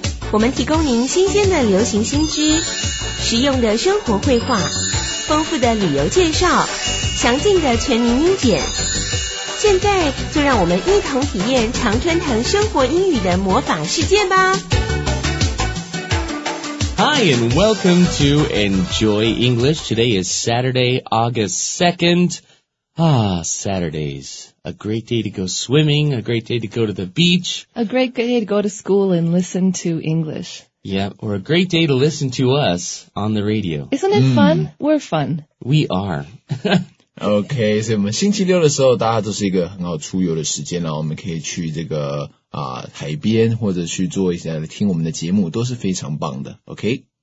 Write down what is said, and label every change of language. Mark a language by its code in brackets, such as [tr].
[zh] 我们提供您新鲜的流行新知，实用的生活绘画，丰富的旅游介绍，详尽的全民英检。现在就让我们一同体验常春藤生活英语的魔法世界吧。 [en] Hi, and welcome to Enjoy English. Today is Saturday, August 2nd. Ah, Saturdays. A great day to go swimming, a great day to go to the beach. A great day to go to school and listen to English. Yeah, or a great day to listen to us on the radio. Isn't it fun? We're fun. We are. [zh] Okay, 所以我们星期六的时候大家都是一个很好出游的时间了，我们可以去这个海边或者去做一下听我们的节目都是非常棒的 Okay.